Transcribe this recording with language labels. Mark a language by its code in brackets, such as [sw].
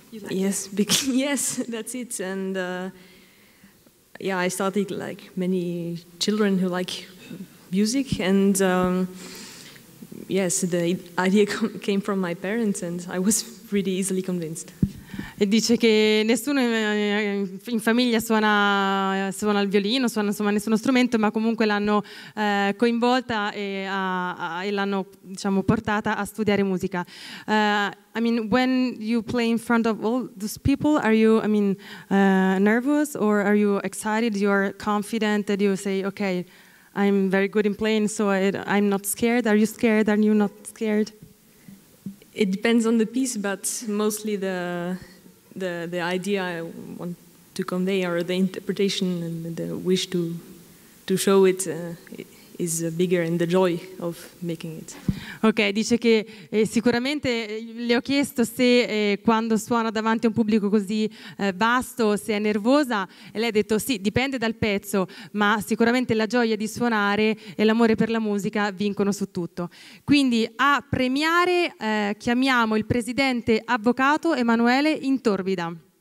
[en] Yes, that's it. And I started like many children who like music, and the idea came from my parents, and I was really easily convinced. [it] E dice che nessuno in famiglia suona il violino, suona insomma nessuno strumento, ma comunque l'hanno coinvolta e l'hanno diciamo portata a studiare musica. [en] I mean, when you play in front of all those people, are you, I mean, nervous or are you excited? You are confident that you say, okay, I'm very good in playing, so I'm not scared. Are you scared? Are you not scared? It depends on the piece, but mostly the idea I want to convey, or the interpretation and the wish to show it, is bigger, and the joy of making it. [it] Ok, dice che sicuramente le ho chiesto se quando suona davanti a un pubblico così vasto se è nervosa, e lei ha detto sì, dipende dal pezzo, ma sicuramente la gioia di suonare e l'amore per la musica vincono su tutto. Quindi a premiare chiamiamo il presidente avvocato Emanuele Intorbida.